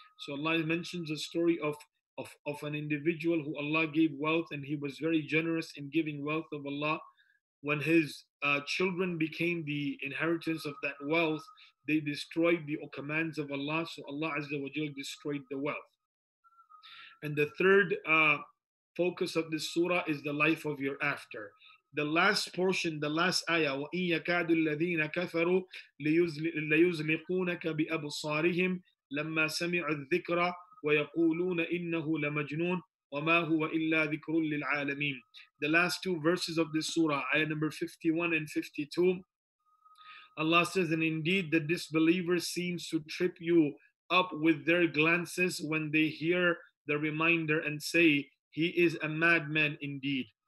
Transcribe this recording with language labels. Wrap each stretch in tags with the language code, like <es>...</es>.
<en>So Allah mentions the story of an individual who Allah gave wealth, and he was very generous in giving wealth of Allah. When his children became the inheritance of that wealth, they destroyed the commands of Allah. So Allah Azza wa Jal destroyed the wealth. And the third focus of this surah is the life of your after.</en> <ar>The last portion, the last ayah, وَإِن يَكَادُ الَّذِينَ كَفَرُوا لَيُزْلِقُونَكَ بِأَبْصَارِهِمْ لَمَّا سَمِعُوا الذِّكْرَ وَيَقُولُونَ إِنَّهُ لَمَجْنُونَ وَمَا هُوَ إِلَّا ذِكْرٌ لِلْعَالَمِينَ.</ar> <en>The last two verses of this surah, ayah number 51 and 52, Allah says, "And indeed the disbeliever seems to trip you up with their glances when they hear the reminder and say, he is a madman indeed.</en>